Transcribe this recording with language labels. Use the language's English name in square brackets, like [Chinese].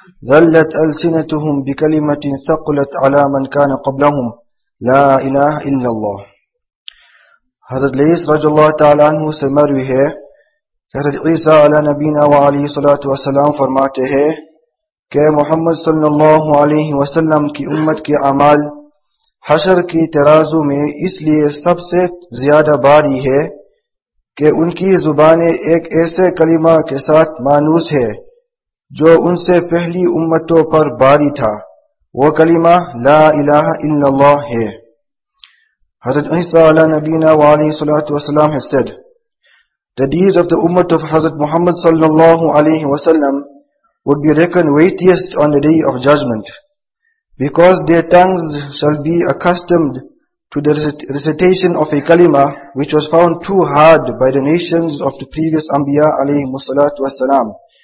[Arabic] ذلت ألسنتهم بكلمة ثقلت على من كان قبلهم لا إله إلا الله. [Urdu] حضرت ليس رضي الله تعالى عنه سمروا هي حضرت عيسى على نبينا وعليه الصلاة والسلام فرماتے ہیں کہ محمد صلی اللہ علیہ وسلم کی امت کے اعمال حشر کی ترازو میں اس لیے سب سے زیادہ باری ہے کہ ان کی زبانیں ایک ایسے کلمہ کے ساتھ مانوس ہے جو ان سے پہلی امتوں پر باری تھا, وہ کلمہ لا الہ الا اللہ ہے. حضرت عیسیٰ علیہ نبینا و علیہ الصلاۃ والسلام [English] has said, the deeds of the ummah of Hazrat Muhammad sallallahu alayhi wa sallam would be reckoned weightiest on the day of judgment, because their tongues shall be accustomed to the recitation of a kalima which was found too hard by the nations of the previous anbiya alayhi musallatu wassalam.